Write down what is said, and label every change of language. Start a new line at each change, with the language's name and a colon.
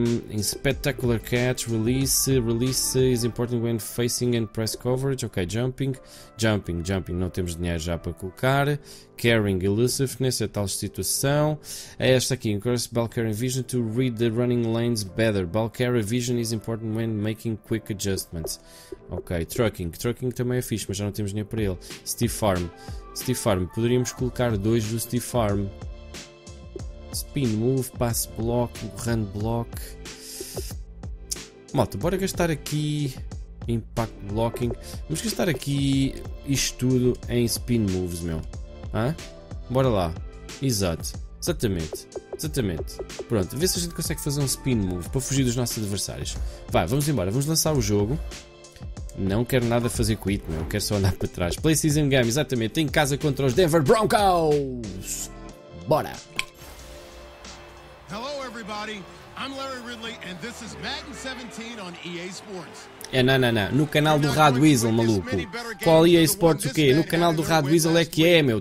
English: In Spectacular Catch, release is important when facing and press coverage.
Portuguese: Ok, jumping, não temos dinheiro já para colocar.
English: Carrying elusiveness
Portuguese: é tal situação. É esta aqui,
English: encourage ball carrying vision to read the running lanes better. Ball carry vision is important when making quick adjustments.
Portuguese: Ok, trucking também é fixe, mas já não temos dinheiro para ele. Steve Farm, poderíamos colocar dois do Steve Farm.
English: Spin move, pass block, run block.
Portuguese: Malta, bora gastar aqui impact blocking. Vamos gastar aqui isto tudo em spin moves, meu. Hã? Bora lá. Exato. Exatamente. Pronto, vê se a gente consegue fazer um spin move para fugir dos nossos adversários. Vai, vamos embora. Vamos lançar o jogo. Não quero nada fazer quit, meu. Quero só andar para trás. Play Season Game, exatamente. Em casa contra os Denver Broncos. Bora.
English: Hello everybody, I'm Larry Ridley and this is Madden 17 on EA Sports.
Portuguese: É, não, no canal do Rad Weasel, maluco. Qual EA Sports o quê? No canal do Rad Weasel é que é, meu.